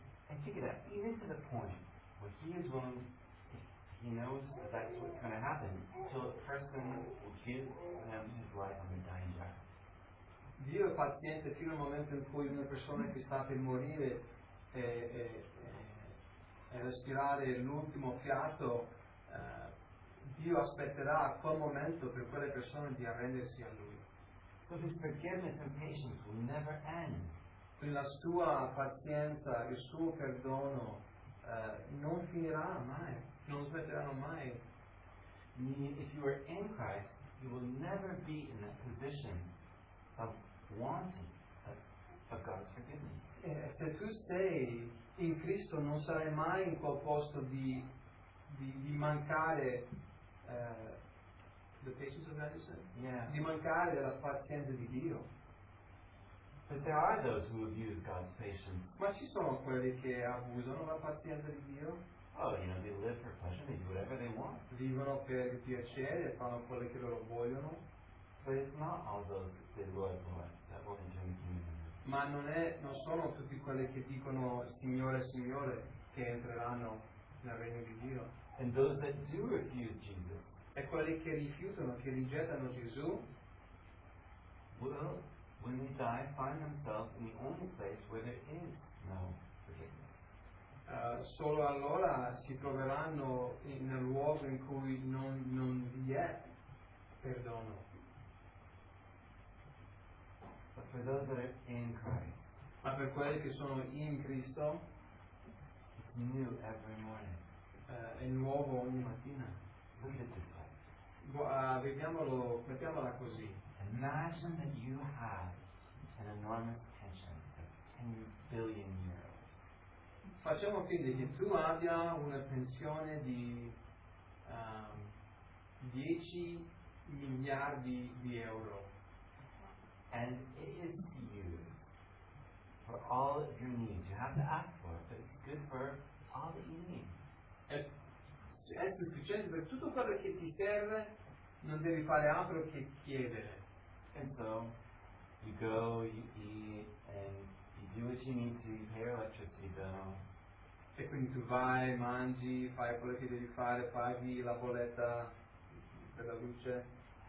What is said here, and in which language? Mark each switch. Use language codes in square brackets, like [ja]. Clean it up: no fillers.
[en] And check it out, even to the point where he is willing, he knows that that's what's going to happen, so a person will give him his life on the dying jar. [it] Dio è paziente fino al momento in cui una persona che sta per morire e respirare l'ultimo fiato. Dio aspetterà a quel momento per quelle persone di arrendersi a lui. [en] So his forgiveness and patience will never end. [it] La sua pazienza, il suo perdono non finirà mai, non smetteranno mai. [en] If you are in Christ, you will never be in that position of wanting of God's forgiveness. [it] Se tu sei in Cristo, non sarai mai in quel posto di mancare [en] the patience of medicine. Yeah. [it] Di mancare la pazienza di Dio. [en] But there are those who abuse God's patience. [it] Ma ci sono quelli che abusano la pazienza di Dio. [en] Oh, you know, they live for pleasure, they do whatever they want. [it] Vivono per piacere, fanno quello che loro vogliono. [en] But it's not all those that say, Lord, that will enter the kingdom. [it] Ma non sono tutti quelli che dicono Signore, Signore, che entreranno nel regno di Dio. [en] And those that do refuse Jesus. [it] E quelli che rifiutano, che rigettano Gesù, [en] will, when they die, find themselves in the only place where there is no forgiveness. [it] Solo allora si troveranno nel luogo in cui non vi è perdono. [en] But for those that are in Christ, [it] ma per quelli che sono in Cristo, [en] it's new every morning. [it] È nuovo ogni mattina. [en] Look at this. [it] vediamolo, mettiamola così. [en] Imagine that you have an enormous pension of 10 billion euros. [it] Facciamo finta che tu abbia una pensione di 10 miliardi di euro. [en] And it is to use for all of your needs. You have to ask for it, but it's good for all that you need. [it] È sufficiente per tutto quello che ti serve, non devi fare altro che chiedere. [en] And so, you go, you eat, and you do what you need to, you pay your electricity bill. [it] E quindi tu vai, mangi, fai quello che devi fare, paghi la bolletta per la luce.